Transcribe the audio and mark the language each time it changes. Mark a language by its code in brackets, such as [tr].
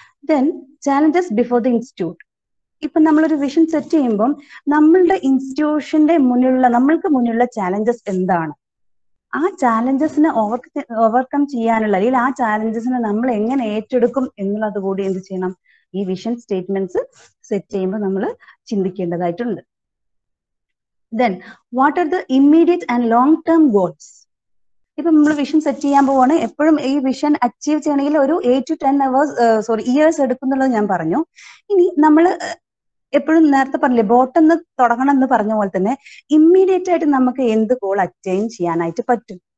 [en] Then challenges before the institute. [ml] ഇപ്പൊ നമ്മളൊരു vision set ചെയ്യുമ്പം നമ്മളുടെ ഇൻസ്റ്റിറ്റ്യൂഷന്റെ മുന്നിലുള്ള നമ്മൾക്ക് മുന്നിലുള്ള ചാലഞ്ചസ് എന്താണ്, ആ ചാലഞ്ചസിനെ ഓവർകം ചെയ്യാനുള്ള അല്ലെങ്കിൽ ആ ചാലഞ്ചസിനെ നമ്മൾ എങ്ങനെ ഏറ്റെടുക്കും എന്നുള്ളത് കൂടി എന്ത് ചെയ്യണം, ഈ വിഷൻ സ്റ്റേറ്റ്മെന്റ്സ് സെറ്റ് ചെയ്യുമ്പോൾ നമ്മൾ ചിന്തിക്കേണ്ടതായിട്ടുണ്ട്. [en] Then, what are the immediate and long-term goals? [ml] ഇപ്പൊ നമ്മൾ വിഷൻ സെറ്റ് ചെയ്യാൻ പോവാണ്, എപ്പോഴും ഈ വിഷൻ അച്ചീവ് ചെയ്യണമെങ്കിൽ ഒരു 8 to 10 hours എടുക്കുന്നുള്ളത് ഞാൻ പറഞ്ഞു. ഇനി നമ്മൾ എപ്പോഴും നേരത്തെ പറഞ്ഞില്ലേ ബോട്ടം എന്ന് തുടങ്ങണം എന്ന് പറഞ്ഞ പോലെ തന്നെ ഇമ്മീഡിയറ്റ് ആയിട്ട് നമുക്ക് എന്ത് ഗോൾ അറ്റൈൻ ചെയ്യാനായിട്ട് പറ്റും.